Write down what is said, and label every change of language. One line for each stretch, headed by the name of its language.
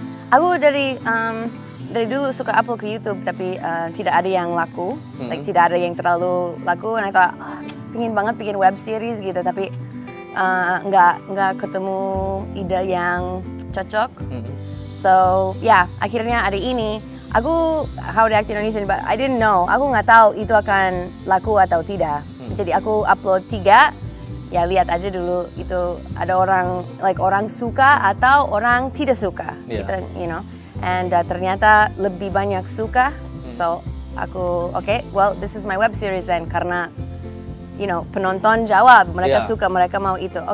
Indonesian: Aku dari dulu suka upload ke YouTube, tapi tidak ada yang laku.
English: Like,
Indonesian: tidak ada yang terlalu laku, dan aku tahu, pengen banget bikin web series gitu, tapi nggak ketemu ide yang cocok.
English: So,
Indonesian: akhirnya ada ini. Aku,
English: how to act Indonesian, but I didn't know.
Indonesian: Aku nggak tahu itu akan laku atau tidak. Jadi aku upload 3, ya lihat aja dulu itu ada orang,
English: like
Indonesian: orang suka atau orang tidak suka. Gitu,
English: you know. And
Indonesian: ternyata lebih banyak suka.
English: So,
Indonesian: aku,
English: well, this is my web series then,
Indonesian: karena
English: you know,
Indonesian: penonton jawab, mereka suka, mereka mau itu.